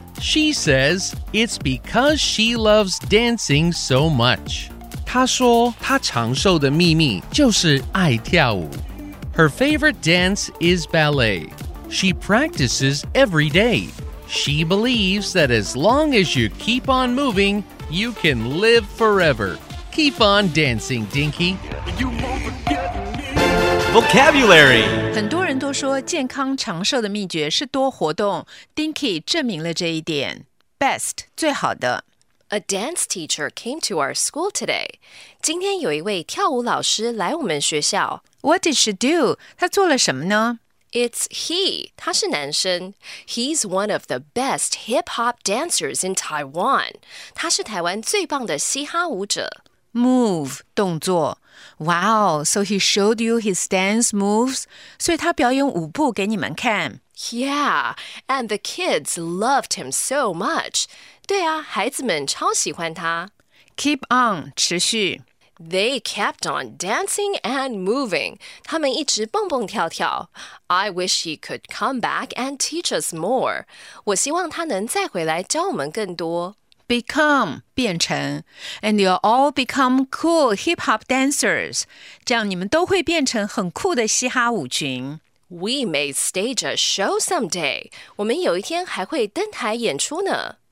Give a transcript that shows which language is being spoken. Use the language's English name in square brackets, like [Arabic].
[English] She says it's because she loves dancing so much. [Chinese] 她说她长寿的秘密就是爱跳舞。 [English] Her favorite dance is ballet. She practices every day. She believes that as long as you keep on moving, you can live forever. Keep on dancing, Dinkie. You won't forget me. Vocabulary. [Chinese] 很多人都说健康长寿的秘诀是多活动 ,Dinkie 证明了这一点。 Best, 最好的。 [English] A dance teacher came to our school today. [Chinese] 今天有一位跳舞老师来我们学校。 [English] What did she do? [Chinese] 她做了什么呢？ [English] It's he, [Chinese] 他是男生。 [English] He's one of the best hip-hop dancers in Taiwan. [Chinese] 他是台湾最棒的嘻哈舞者。 Move, 动作。 [English] Wow, so he showed you his dance moves? [Chinese] 所以他表演舞步给你们看。 [English] Yeah, and the kids loved him so much. [Chinese] 对啊,孩子们超喜欢他。 Keep on, 持续。 [English] They kept on dancing and moving. [Chinese] 他们一直蹦蹦跳跳。 [English] I wish he could come back and teach us more. [Chinese] 我希望他能再回来教我们更多。 [English] Become, 变成 and you'll all become cool hip-hop dancers. [Chinese] 这样你们都会变成很酷的嘻哈舞群。 [English] We may stage a show someday. [Chinese] 我们有一天还会登台演出呢。